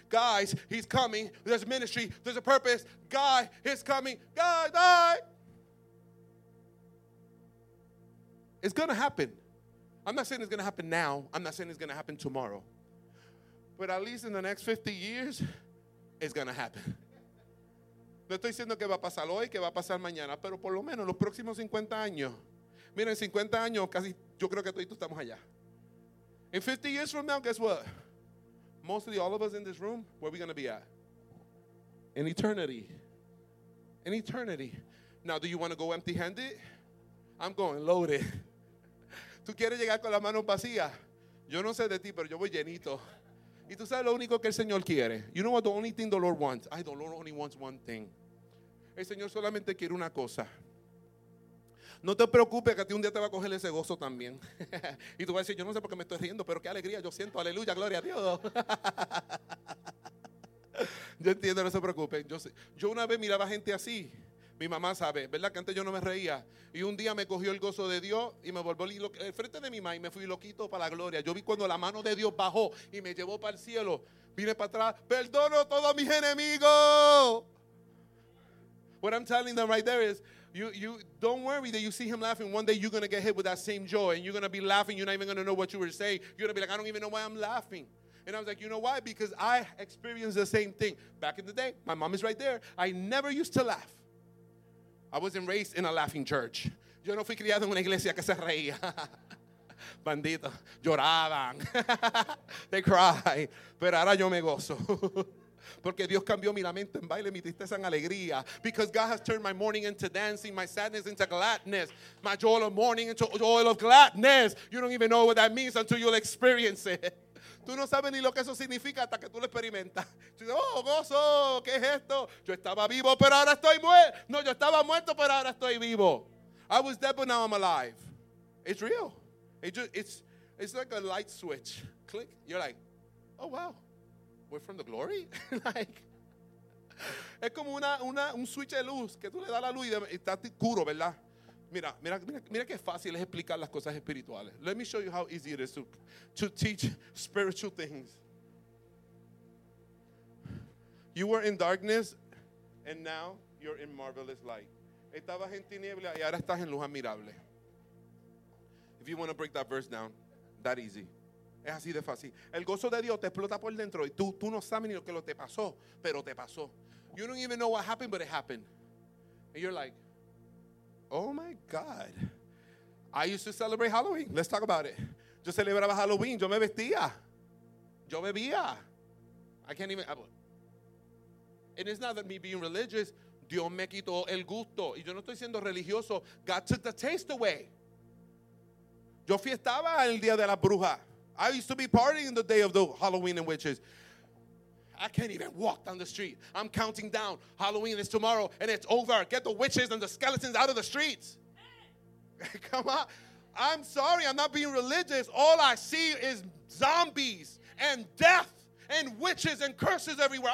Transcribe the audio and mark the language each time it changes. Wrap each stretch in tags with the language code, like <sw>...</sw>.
<en>Guys, he's coming. There's a ministry. There's a purpose. Guy, he's coming. Guy, die. It's going to happen. I'm not saying it's going to happen now. I'm not saying it's going to happen tomorrow. But at least in the next 50 years, it's going to happen.</en> <es>No estoy diciendo que va a pasar hoy, que va a pasar mañana, pero por lo menos los próximos 50 años. Mira, en 50 años, casi, yo creo que tú y tú estamos allá.</es> <en>In 50 years from now, guess what? Mostly all of us in this room, where are we going to be at? In eternity. In eternity. Now, do you want to go empty-handed? I'm going loaded.</en> <es>Tú quieres llegar con las manos vacías. Yo no sé de ti, pero yo voy llenito. Y tú sabes lo único que el Señor quiere.</es> <en>You know what the only thing the Lord wants? The Lord only wants one thing.</en> <es>El Señor solamente quiere una cosa. No te preocupes que a ti un día te va a coger ese gozo también. Y tú vas a decir, yo no sé por qué me estoy riendo, pero qué alegría yo siento. Aleluya, gloria a Dios. Yo entiendo, no se preocupen. Yo una vez miraba gente así. Mi mamá sabe, ¿verdad? Que antes yo no me reía. Y un día me cogió el gozo de Dios y me volvió el frente de mi mamá y me fui loquito para la gloria. Yo vi cuando la mano de Dios bajó y me llevó para el cielo. Vine para atrás, perdono a todos mis enemigos.</es> <en>What I'm telling them right there is, you don't worry that you see him laughing. One day you're going to get hit with that same joy and you're going to be laughing. You're not even going to know what you were saying. You're going to be like, I don't even know why I'm laughing. And I was like, you know why? Because I experienced the same thing. Back in the day, my mom is right there. I never used to laugh. I wasn't raised in a laughing church.</en> <es>Yo no fui criado en una iglesia que se reía. Bandito. Lloraban.</es> <en>They cry.</en> <es>Pero ahora yo me gozo. Porque Dios cambió mi lamento en baile, mi tristeza en alegría.</es> <en>Because God has turned my mourning into dancing, my sadness into gladness, my joy of mourning into joy of gladness. You don't even know what that means until you'll experience it.</en> <es>Tú no sabes ni lo que eso significa hasta que tú lo experimentas. Oh, gozo, ¿qué es esto? Yo estaba vivo, pero ahora estoy muerto. No, yo estaba muerto, pero ahora estoy vivo.</es> <en>I was dead, but now I'm alive. It's real. It's like a light switch. Click. You're like, oh, wow. We're from the glory?</en> <es>Es como un switch de luz que tú le das la luz y está oscuro, ¿verdad? Mira qué fácil es explicar las cosas espirituales.</es> <en>Let me show you how easy it is to teach spiritual things. You were in darkness, and now you're in marvelous light.</en> <es>Estabas en tinieblas y ahora estás en luz admirable.</es> <en>If you want to break that verse down, that easy.</en> <es>Es así de fácil. El gozo de Dios te explota por dentro y tú no sabes ni lo que te pasó, pero te pasó.</es> <en>You don't even know what happened, but it happened. And you're like, oh my God, I used to celebrate Halloween. Let's talk about it.</en> <es>Yo celebraba Halloween. Yo me vestía. Yo bebía.</es> <en>I can't even. And it's not that me being religious,</en> <es>Dios me quitó el gusto. Y yo no estoy siendo religioso.</es> <en>God took the taste away.</en> <es>Yo fiestaba el día de la bruja.</es> <en>I used to be partying the day of the Halloween and witches. I can't even walk down the street. I'm counting down. Halloween is tomorrow and it's over. Get the witches and the skeletons out of the streets. Hey. Come on. I'm sorry. I'm not being religious. All I see is zombies and death and witches and curses everywhere.</en>